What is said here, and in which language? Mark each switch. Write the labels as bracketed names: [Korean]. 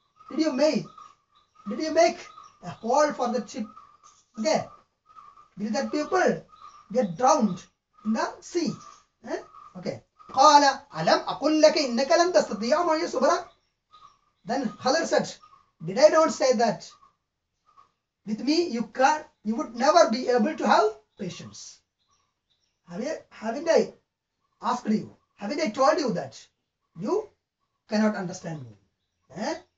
[English] Did you make a hole for the ship? Okay. Did that people get drowned in the sea? Okay. [Arabic] قال ألم أقول لك إنك لن تستطيع معي صبرا. [English] Then Khadr said, did I not say that with me you would never be able to have patience? Haven't I asked you? Haven't I told you that you cannot understand me?